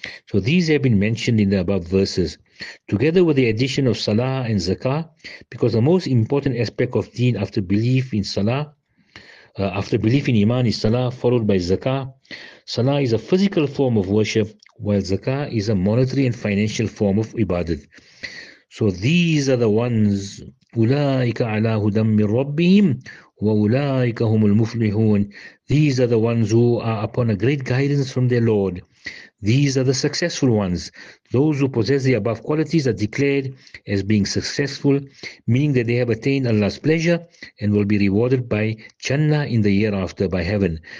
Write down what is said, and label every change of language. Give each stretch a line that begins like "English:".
English: So these have been mentioned in the above verses, together with the addition of salah and zakah, because the most important aspect of deen after belief in salah, after belief in iman is salah, followed by zakah. Salah is a physical form of worship, while zakah is a monetary and financial form of ibadat. So these are the ones,
Arabic: أُولَٰئِكَ عَلَىٰ هُدًى مِّن رَبِّهِمْ وَأُولَٰئِكَ هُمُ الْمُفْلِحُونَ.
English: These are the ones who are upon a great guidance from their Lord. These are the successful ones. Those who possess the above qualities are declared as being successful, meaning that they have attained Allah's pleasure and will be rewarded by Jannah in the year after by heaven.